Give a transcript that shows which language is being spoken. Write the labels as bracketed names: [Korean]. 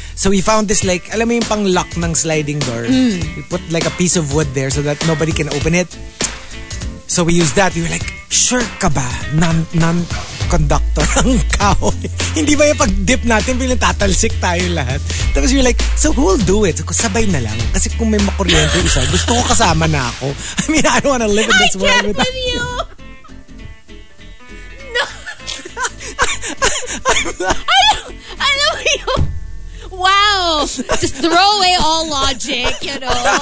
[English] So we found this like, [Filipino] alam mo yung pang lock ng sliding door. Mm. [English] We put like a piece of wood there so that nobody can open it. So we used that. We were like, [Filipino] sure ka ba? Non-conductor ang kahoy. Hindi ba yung pag-dip natin, bilang tatalsik tayo lahat. [English] Tapos we were like, so who'll do it? [Filipino] So, sabay na lang. Kasi kung may makuryente isa, gusto ko kasama na ako. [English] I mean, I don't wanna live in this I world. I can't with you. No. I don't know you. Wow. Just throw away all logic, you know.